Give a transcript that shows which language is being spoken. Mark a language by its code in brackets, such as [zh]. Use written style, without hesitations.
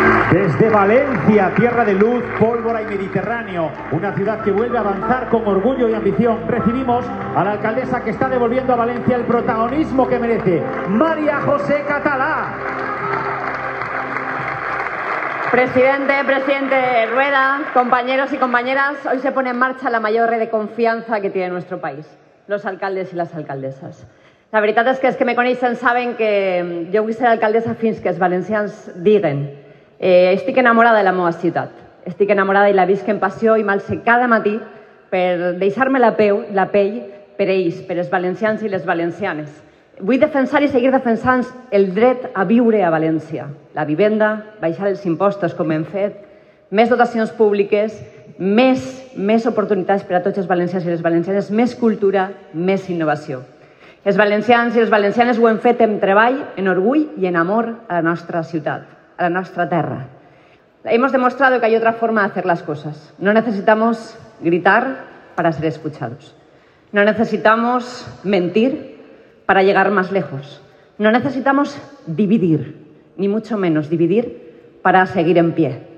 [es] Desde Valencia, tierra de luz, pólvora y Mediterráneo, una ciudad que vuelve a avanzar con orgullo y ambición, recibimos a la alcaldesa que está devolviendo a Valencia el protagonismo que merece, María José Catalá. Presidente, presidente Rueda, compañeros y compañeras, hoy se pone en marcha la mayor red de confianza que tiene nuestro país, los alcaldes y las alcaldesas. [ca] La veritat és que els que me coneixen saben que jo vull ser alcaldessa fins que els valencians diguen estic enamorada de la meva ciutat, estic enamorada i la visc en passió i m'alce cada matí per deixar-me la pell per ells, per els valencians i les valencianes. Vull defensar i seguir defensant el dret a viure a València, la vivenda, baixar els impostos com hem fet, més dotacions públiques, més oportunitats per a tots els valencians i les valencianes, més cultura, més innovació. Els valencians i les valencianes ho hem fet amb treball, en orgull i en amor a la nostra ciutat, a la nostra terra. [es] Hemos demostrado que hay otra forma de hacer las cosas. No necesitamos gritar para ser escuchados. No necesitamos mentir para llegar más lejos. No necesitamos dividir, ni mucho menos dividir para seguir en pie.